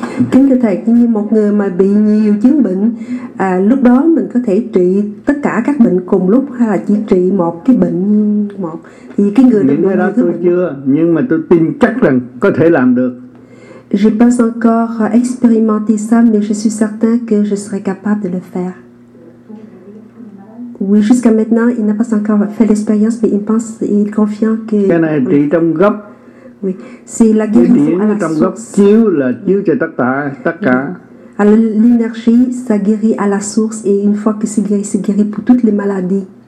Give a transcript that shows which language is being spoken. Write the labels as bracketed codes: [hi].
[vi] Kính thưa thầy, như một người mà bị nhiều chứng bệnh, lúc đó mình có thể trị tất cả các bệnh cùng lúc hay là chỉ trị một cái bệnh một? Thì cái người những cái đó tôi chưa, nhưng mà tôi tin chắc rằng có thể làm được. [fr] Je n'ai pas encore expérimenté ça, mais je suis certain que je serai capable de le faire. Oui, jusqu'à maintenant, il n'a pas encore fait l'expérience, mais il pense et il est confiant que. [vi] Cái này trị trong gốc. [fr] Oui, c'est la guérison à la [vi] trong gốc chiếu là chiếu cho tất cả. [fr] Alors, l'énergie, ça guérit à la source et une fois que c'est guéri pour toutes les maladies.